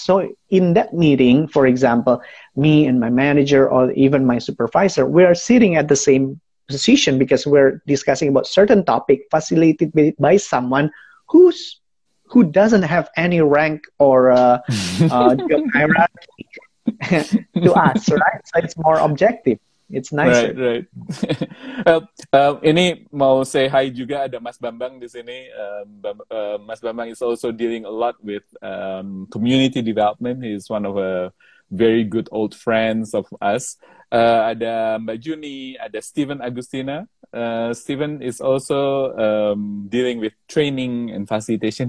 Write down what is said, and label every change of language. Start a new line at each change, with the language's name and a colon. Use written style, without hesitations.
English: So in that meeting, for example, me and my manager or even my supervisor, we are sitting at the same position because we're discussing about certain topic facilitated by someone who doesn't have any rank or job hierarchy to us, right? So it's more objective. It's nicer. Right, right.
Indonesian: ini mau
English: say hi
Indonesian: juga, ada Mas Bambang di sini.
English: Mas Bambang is also dealing a lot with community development. He's one of a very good old friends of us.
Indonesian: Ada Mbak Juni, ada Steven Agustina.
English: Steven is also dealing with training and facilitation.